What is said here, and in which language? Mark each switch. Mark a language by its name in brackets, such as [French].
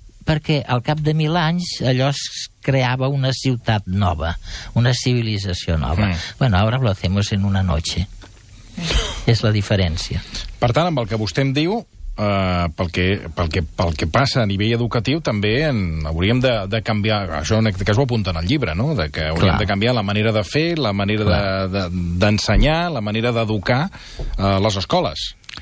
[Catalan] Perquè al cap de 1000 anys allò es creava una ciutat nova, una civilització nova. Sí. [Spanish] Bueno, ahora lo hacemos en una noche. [Catalan] És la diferència. Per tant, amb el que vostè em diu, pel que passa a nivell educatiu, també hauríem de canviar, això en aquest cas ho apunta en el llibre, no? De que hauríem, clar, de canviar la manera de fer, la manera d'ensenyar, la manera d'educar les escoles.